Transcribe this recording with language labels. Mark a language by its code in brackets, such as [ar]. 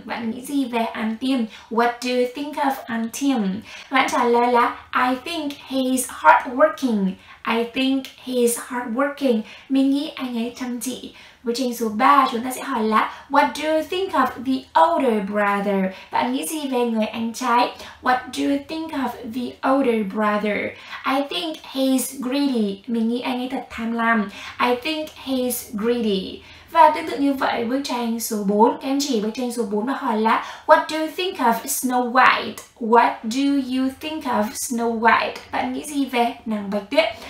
[vi] Bạn nghĩ gì về [en] Antim? What do you think of Antim? [vi] Bạn trả lời là [en] I think he's hardworking. I think he's hardworking. [vi] Mình nghĩ anh ấy chăm chỉ. Với tranh số 3, chúng ta sẽ hỏi là [en] what do you think of the older brother? [vi] Bạn nghĩ gì về người anh trai? [en] What do you think of the older brother? I think he's greedy. [vi] Mình nghĩ anh ấy thật tham lam. [en] I think he's greedy. [vi] Và tương tự như vậy, bức tranh số 4, các em chỉ bức tranh số 4 và hỏi là [en] what do you think of Snow White? What do you think of Snow White? [vi] Bạn nghĩ gì về nàng Bạch Tuyết?